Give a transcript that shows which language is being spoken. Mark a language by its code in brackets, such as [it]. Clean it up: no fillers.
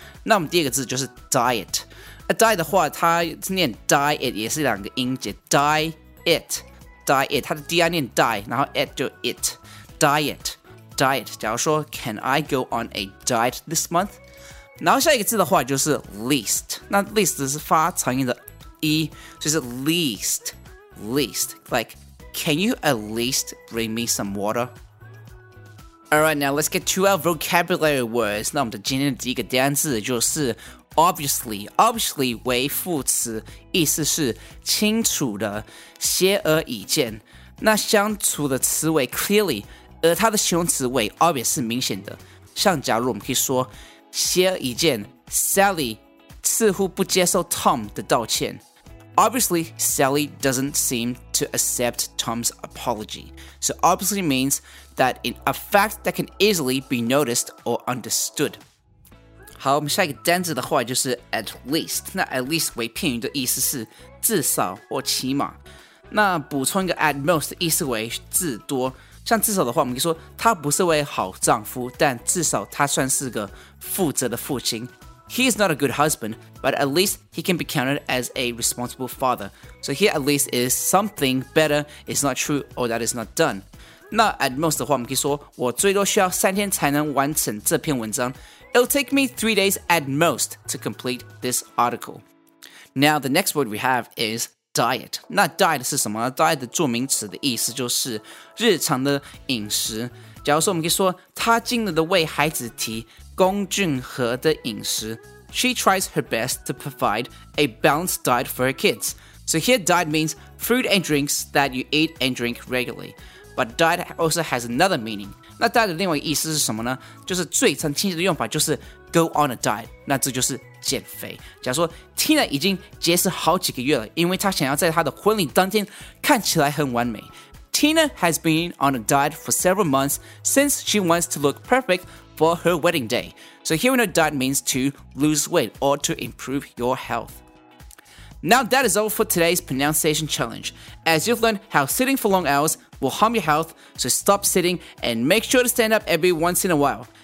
[zh] 那我们第二个字就是 diet， diet 的话它念 diet 也是两个音节， diet 它的 di 念 di， 然后 it 就 it， diet。假如说 [en] can I go on a diet this month， [zh] 然后下一个字的话就是 [en] least， 那 least [zh] 是发长音的 [en] E, [zh] 就是 [en] least, like, can you at least bring me some water? Alright, now let's get to our vocabulary words. [zh] 那我们的今天的第一个单字就是 obviously 为副词，意思是清楚的，显而易见。那相处的词为 clearly, 而它的形容词为 obvious 是明显的。像假如我们可以说显而易见， Sally 似乎不接受 Tom 的道歉。 [en] Obviously, Sally doesn't seem to accept Tom's apology. So obviously means that in a fact that can easily be noticed or understood. [zh] 好，我们下一个单字的话就是 at least. 那 at least 为片语的意思是至少或起码。那补充一个 at most 的意思为至多。像至少的话，我们可以说他不是位好丈夫，但至少他算是个负责的父亲。 [en] He is not a good husband, but at least he can be counted as a responsible father. So here at least is something better is not true or that is not done. [zh] 那 at most 的话我们可以说我最多需要三天才能完成这篇文章。 [en] It'll take me 3 days at most to complete this article. Now the next word we have is diet. [zh] 那 diet 是什么？ diet 的作名词的意思就是日常的饮食。假如说我们可以说他尽力的为孩子提供均和的饮食， [en] She tries her best to provide a balanced diet for her kids. So here diet means food and drinks that you eat and drink regularly. But diet also has another meaning. [zh] 那 diet 的另外意思是什么呢？就是最常听见的用法就是 go on a diet， 那这就是减肥。假如说 Tina 已经节食好几个月了，因为她想要在她的婚礼当天看起来很完美。 [en] Tina has been on a diet for several months since she wants to look perfect for her wedding day. So here we know diet means to lose weight or to improve your health. Now that is all for today's pronunciation challenge. As you've learned how sitting for long hours will harm your health, so stop sitting and make sure to stand up every once in a while.